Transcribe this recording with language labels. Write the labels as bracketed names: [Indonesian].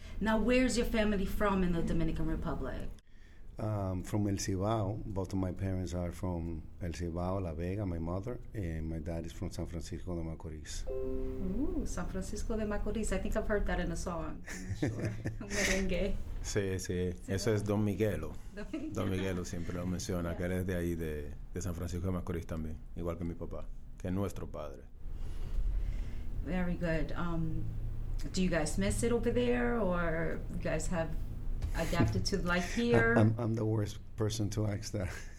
[English] Now, where's your family from in the Dominican Republic? From El Cibao. Both of my parents are from El Cibao, La Vega, my mother, and my dad is from San Francisco de Macorís. Ooh, San Francisco de Macorís. I think I've heard that in a song. I'm not sure. Merengue. [Spanish] Sí, sí. Eso es Don Miguelo. Don Miguelo siempre lo menciona, yeah. Que él es de ahí, de San Francisco de Macorís también, igual que mi papá, que es nuestro padre. [English] Very good. Do you guys miss it over there, or you guys have adapted to life here? I'm the worst person to ask that.